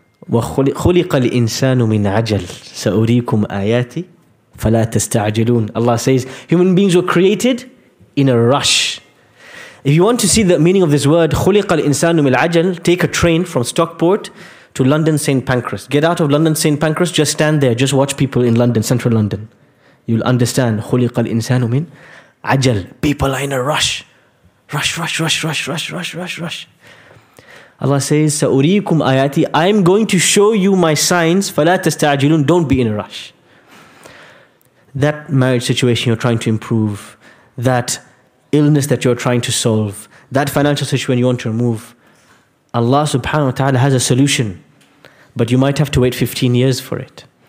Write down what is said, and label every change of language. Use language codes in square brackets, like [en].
[ar] وَخُلِقَ الْإِنسَانُ مِنْ عَجَلٍ سَأُرِيكُمْ آيَاتِي فَلَا تَسْتَعْجِلُونَ. [en] Allah says, human beings were created in a rush. If you want to see the meaning of this word, [ar] خُلِقَ الْإِنسَانُ مِنْ عَجَلٍ, [en] take a train from Stockport to London St. Pancras. Get out of London St. Pancras, just stand there, just watch people in London, central London. You'll understand, [ar] خُلِقَ الْإِنسَانُ مِنْ عَجَلٍ. [en] People are in a rush. Rush, rush, rush, rush, rush, rush, rush, rush. Allah says, [ar] سَأُرِيكُمْ آيَاتِي, [en] I'm going to show you my signs, [ar] فَلَا تَسْتَعْجِلُونَ, [en] don't be in a rush. That marriage situation you're trying to improve, that illness that you're trying to solve, that financial situation you want to remove, Allah subhanahu wa ta'ala has a solution, but you might have to wait 15 years for it.